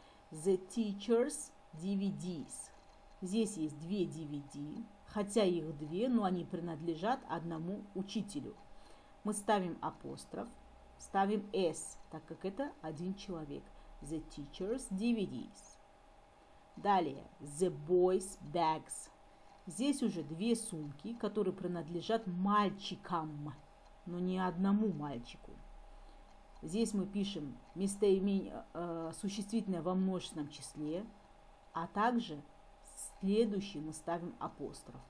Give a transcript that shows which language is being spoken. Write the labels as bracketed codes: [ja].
[en] The teacher's DVDs. [ru] Здесь есть две DVD, хотя их две, но они принадлежат одному учителю. Мы ставим апостроф, ставим «с», так как это один человек. [en] The teacher's DVDs. [ru] Далее, [en] the boys' bags. [ru] Здесь уже две сумки, которые принадлежат мальчикам, но не одному мальчику. Здесь мы пишем местоимение, существительное во множественном числе, а также следующий мы ставим апостроф.